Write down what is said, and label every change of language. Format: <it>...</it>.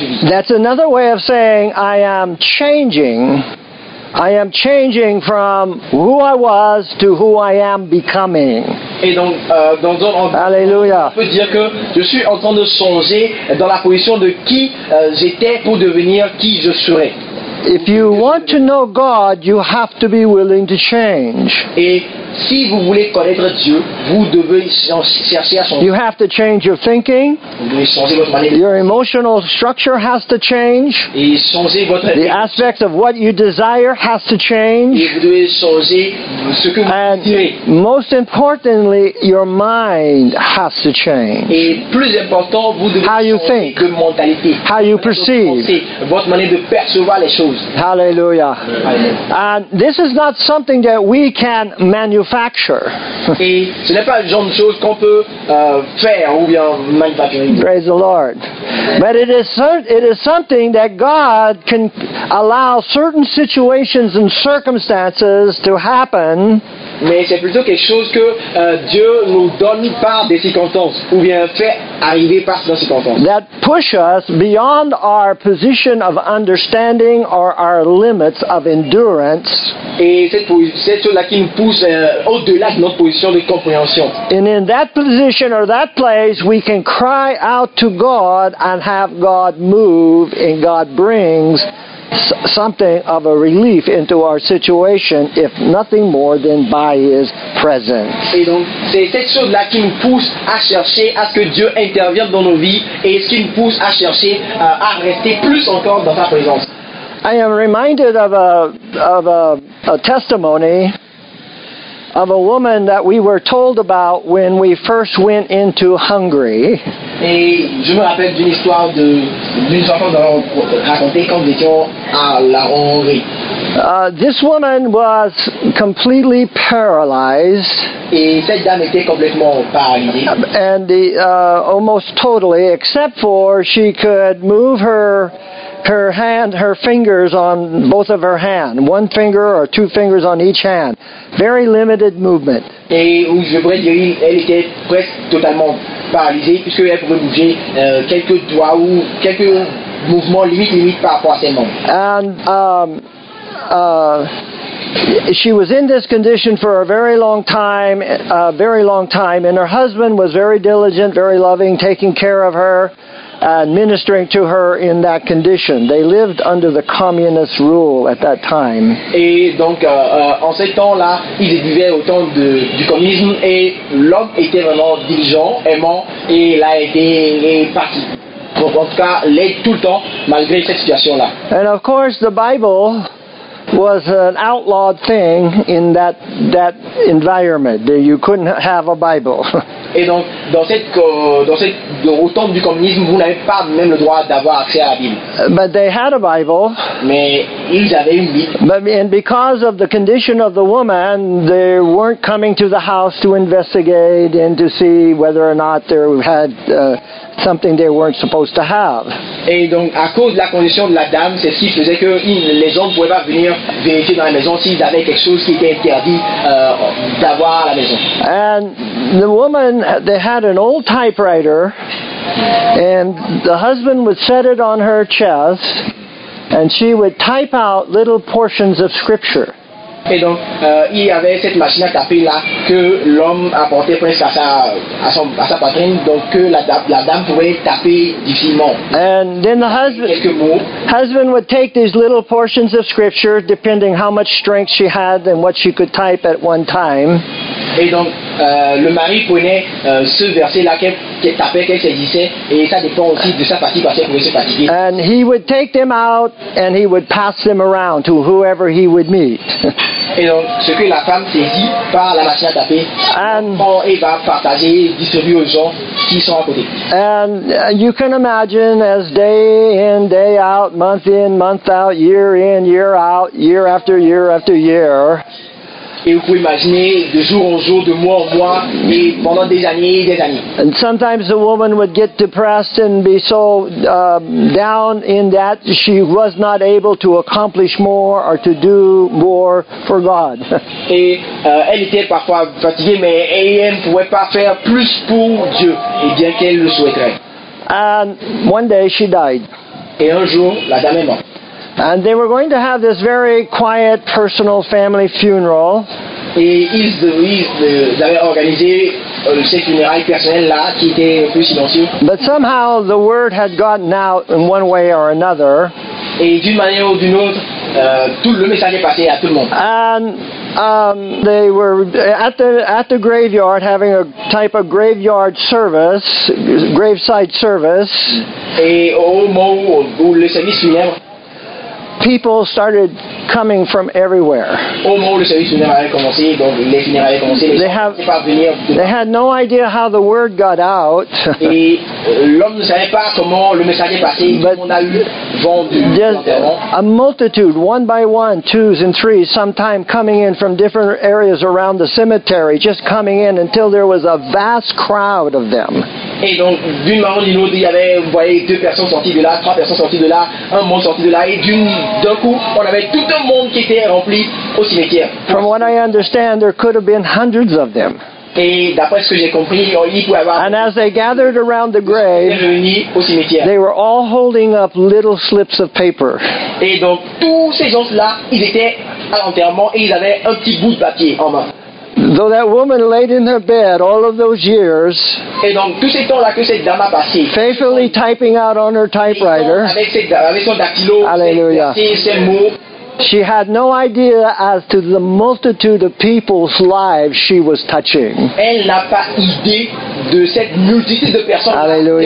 <en>That's another way of saying I am changing. I am changing from who I was to who I am becoming.</en> <fr>Et donc, alléluia. On peut dire que je suis en train de songer dans la position de qui j'étais pour devenir qui je serai.</fr> <en>If you want to know God, you have to be willing to change.</en> <fr>Et si vous voulez connaître Dieu, vous devez chercher à son.</fr> <en>You have to change your thinking. Your emotional structure has to change.</en> <fr>Et changer votre.</fr> <en>The aspects of what you desire has to change.</en> <fr>Et vous devez changer ce que vous.</fr> <en>And most importantly, your mind has to change.</en> <fr>Et plus important, vous devez</fr> <en>how you think,</en> <fr>changer de mentalité.</fr> <en>How you perceive.</en> <fr>Votre manière de percevoir les choses.</fr> <en>Hallelujah. And this is not something that we can manufacture.</en> <fr>Et ce n'est pas le genre de chose qu'on peut faire ou bien manufacturer.</fr> <en>Praise the Lord. But it is something that God can allow certain situations and circumstances to happen.</en> <fr>Mais c'est plutôt quelque chose que Dieu nous donne par des circonstances ou bien fait arriver par des circonstances.</fr> <en>That push us beyond our position of understanding or our limits of endurance.</en> <fr>Et c'est cela qui nous pousse au-delà de notre position de compréhension.</fr> <en>And in that position or that place, we can cry out to God and have God move, and God brings something of a relief into our situation, if nothing more than by His presence.</en> <fr>Et donc, c'est cette chose-là qui nous pousse à chercher à ce que Dieu intervienne dans nos vies, et ce qui nous pousse à chercher à rester plus encore dans Sa présence.</fr> <en>I am reminded of a testimony of a woman that we were told about when we first went into Hungary.</en> <fr>Et je me rappelle d'une histoire d'une enfant racontée quand nous étions à la Hongrie.</fr> <en>This woman was completely paralyzed.</en> <fr>Et cette dame était complètement paralysée.</fr> <en>And almost totally, except for she could move her hand, her fingers on both of her hand, one finger or two fingers on each hand, very limited movement.</en> <fr>Et où je voudrais dire, elle était presque totalement paralysée puisque elle pouvait bouger quelques doigts ou quelques mouvements limite par rapport à ses membres.</fr> <en>And she was in this condition for a very long time, and her husband was very diligent, very loving, taking care of her. And ministering to her in that condition. They lived under the communist rule at that time.</en> <fr>Et donc, en ces temps-là, ils vivaient au temps du communisme, et l'homme était vraiment diligent, aimant, et il a été parti. En tout cas, l'aide tout le temps, malgré cette situation-là.</fr> <en>And of course, the Bible was an outlawed thing in that environment. You couldn't have a Bible.</en> <fr>Et donc, dans cette autant du communisme, vous n'avez pas même le droit d'avoir accès à la Bible.</fr> <en>But they had a Bible.</en> <fr>Mais ils avaient une Bible.</fr> <en>But and because of the condition of the woman, they weren't coming to the house to investigate and to see whether or not they had something they weren't supposed to have.</en> <fr>Et donc, à cause de la condition de la dame, c'est ce qui faisait que les gens ne pouvaient pas venir vérifier dans la maison s'ils avaient quelque chose qui était interdit d'avoir à la maison.</fr> <en>And the woman, they had an old typewriter, and the husband would set it on her chest, and she would type out little portions of scripture.</en> <fr>Et donc, il y avait cette machine à taper là que l'homme apportait presque à sa poitrine, donc que la dame pouvait taper difficilement.</fr> <en>And then the husband would take these little portions of scripture, depending how much strength she had and what she could type at one time.</en> <fr>Et donc, le mari prenait ce verset là qu'elle tapait, qu'elle saisissait, et ça dépend aussi de sa fatigue parce qu'elle pouvait se fatiguer.</fr> <en>And he would take them out and he would pass them around to whoever he would meet.</en> <fr>Et donc, ce que la femme saisit par la machine à taper, elle va partager et distribuer aux gens qui sont à côté.</fr> <en>And you can imagine as day in, day out, month in, month out, year in, year out, year after year after year.</en> <fr>Et vous pouvez imaginer de jour en jour, de mois en mois, et pendant des années et des années.</fr> <en>And sometimes the woman would get depressed and be so down in that she was not able to accomplish more or to do more for God.</en> <fr>Et elle était parfois fatiguée, mais elle ne pouvait pas faire plus pour Dieu, et bien qu'elle le souhaiterait.</fr> <en>And one day she died.</en> <fr>Et un jour, la dame est morte.</fr> <en>And they were going to have this very quiet, personal family funeral.</en> <fr>Et ils avaient organisé ce funérail personnel là qui était un peu silencieux.</fr> <en>But somehow the word had gotten out in one way or another.</en> <fr>Et d'une manière ou d'une autre, tout le message est passé à tout le monde.</fr> <en>And They were at the graveyard having a type of graveyard service, graveside service.</en> <fr>Et au moment où le service funèbre,</fr> <en>people started coming from everywhere. They had no idea how the word got out. But just a multitude, one by one, twos and threes, sometime coming in from different areas around the cemetery, just coming in until there was a vast crowd of them.</en> <fr>Et donc, d'une manière ou d'une autre, il y avait, vous voyez, deux personnes sorties de là, trois personnes sorties de là, un monde sorti de là, et d'un coup, on avait tout un monde qui était rempli au cimetière.</fr> <en>From what I understand, there could have been hundreds of them.</en> <fr>Et d'après ce que j'ai compris, il y pouvait avoir.</fr> <en>And as they gathered around the grave, they were all holding up little slips of paper.</en> <fr>Et donc, tous ces gens-là, ils étaient à l'enterrement et ils avaient un petit bout de papier en main.</fr> <en>Though that woman laid in her bed all of those years,</en> <fr>et donc, tout ce temps-là que cette dame a passé,</fr> <en>faithfully typing out on her typewriter,</en> <fr>avec son dactylo, alléluia, ses mots,</fr> <en>she had no idea as to the multitude of people's lives she was touching.</en> <fr>Elle n'a pas idée de cette multitude de personnes qui</fr>